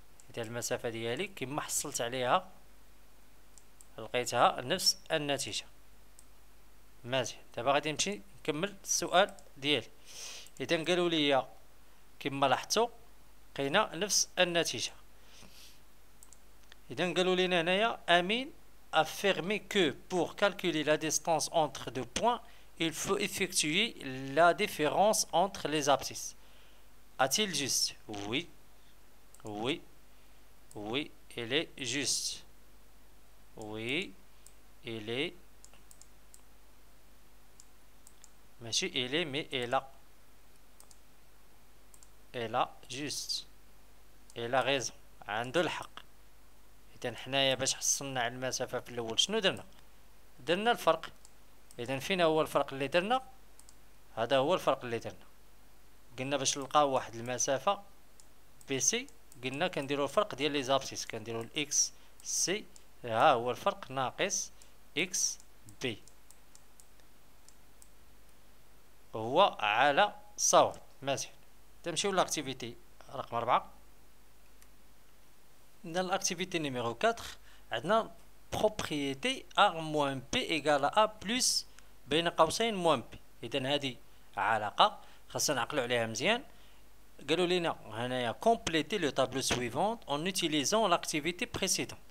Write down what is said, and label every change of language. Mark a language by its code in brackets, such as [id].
[ar] اذا المسافه ديالي كما حصلت عليها لقيتها نفس النتيجه. مزيان. دابا غادي نمشي نكمل السؤال ديالي. اذا قالوا لي كما لاحظتوا لقينا نفس النتيجه. اذا قالوا لينا هنايا امين [fr] affirmer que pour calculer la distance entre deux points, il faut effectuer la différence entre les abscisses. A-t-il juste? Oui. Oui. Oui, il est juste. Oui, il est. Monsieur, il est, mais elle a. Elle a juste. Elle a raison. [ar] Andul haq. اذا حنايا باش حصلنا على المسافه في الاول شنو درنا؟ درنا الفرق. اذا فين هو الفرق اللي درنا؟ هذا هو الفرق اللي درنا. قلنا باش نلقاو واحد المسافه بي سي قلنا كنديروا الفرق ديال لي زابسيس، كنديروا الاكس سي ها هو الفرق ناقص اكس بي هو على صواب. مزيان. تمشيو لاكتيفيتي رقم 4. [fr] Dans l'activité numéro 4, on a propriété A moins B égale A plus B n'est moins B. Et on a dit A la A, on a dit A la A. On a complété le tableau suivant en utilisant l'activité précédente.